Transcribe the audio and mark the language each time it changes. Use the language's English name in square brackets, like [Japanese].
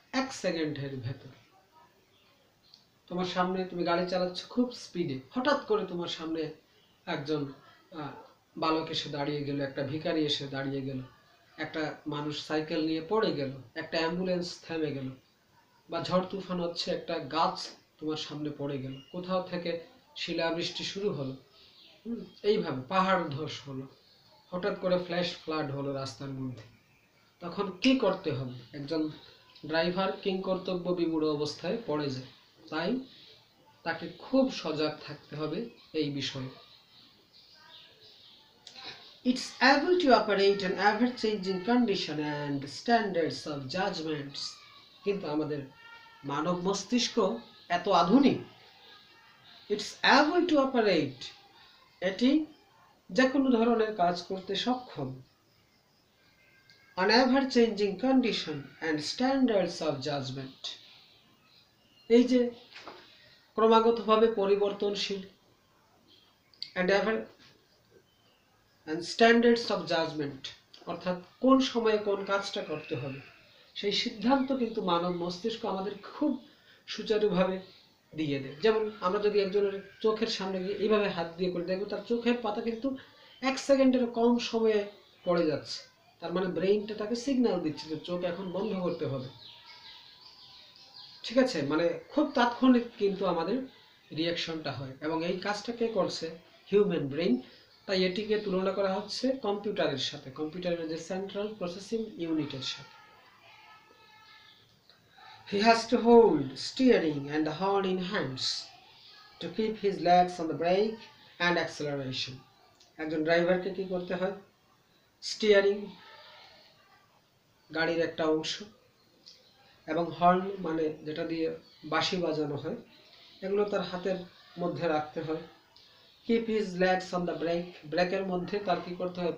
[Bangla] এক সেকেন্ডের ভেতর। তোমার সামনে তুমি গাড়ি চালাচ্ছ খুব স্পিডে, হঠাৎ করে তোমার সামনে একজন বালক এসে দাঁড়িয়ে গেল, একটা ভিখারি এসে দাঁড়িয়ে গেল, একটা মানুষ সাইকেল নিয়ে পড়ে গেল, একটা অ্যাম্বুলেন্স থেমে গেল, বা ঝড় তুফান হচ্ছে, একটা গাছ তোমার সামনে পড়ে গেল, কোথাও থেকে শিলাবৃষ্টি শুরু হলো, এইভাবে পাহাড় ধস হলো, হঠাৎ করে ফ্ল্যাশ ফ্লাড হলো রাস্তার মধ্যে, তখন কি করতে হবে? একজন ড্রাইভার কিং কর্তব্য বিমূঢ় অবস্থায় পড়ে যায়, তাই তাকে খুব সজাগ থাকতে হবে এই বিষয়ে। [English] It's able to operate in ever-changing condition and standards of judgments. [Bangla] কিন্তু আমাদের মানব মস্তিষ্ক এত আধুনিক, [English] it's able to operate, [Bangla] এটি যে কোনো ধরনের কাজ করতে সক্ষম, [English] On ever changing condition and standards of judgement. [Bangla] এই যে ক্রমাগতভাবে পরিবর্তনশীল, [English] and ever and standards of judgement, [Bangla] অর্থাৎ কোন সময়ে কোন কাজটা করতে হবে, সেই সিদ্ধান্ত কিন্তু মানব মস্তিষ্ক আমাদের খুব সুচারুভাবে দিয়ে দেয়। যেমন আমরা যদি একজনের চোখের সামনে গিয়ে এইভাবে হাত দিয়ে করে দেখবো, তার চোখের পাতা কিন্তু এক সেকেন্ডের কম সময়ে পড়ে যাচ্ছে, তার মানে ব্রেইনটা তাকে সিগন্যাল দিচ্ছে যে চোখ এখন বন্ধ করতে হবে, ঠিক আছে? মানে খুব তাৎক্ষণিক কিন্তু আমাদের রিয়াকশনটা হয়, এবং এই কাজটা কে করছে? Human brain. তাই এটিকে তুলনা করা হচ্ছে কম্পিউটারের সাথে, কম্পিউটারের যে সেন্ট্রাল প্রসেসিং ইউনিটের সাথে। [English] He has to hold steering and the horn in hands to keep his legs on the brake and acceleration. [Bangla] একজন ড্রাইভারকে কি করতে হয়? স্টিয়ারিং গাড়ির একটা অংশ, এবং হর্ন মানে যেটা দিয়ে বাঁশি বাজানো হয়, এগুলো তার হাতের মধ্যে রাখতে হয়। [English] keep his legs on the brake, [Bangla] ব্রেকের মধ্যে তার কী করতে হয়?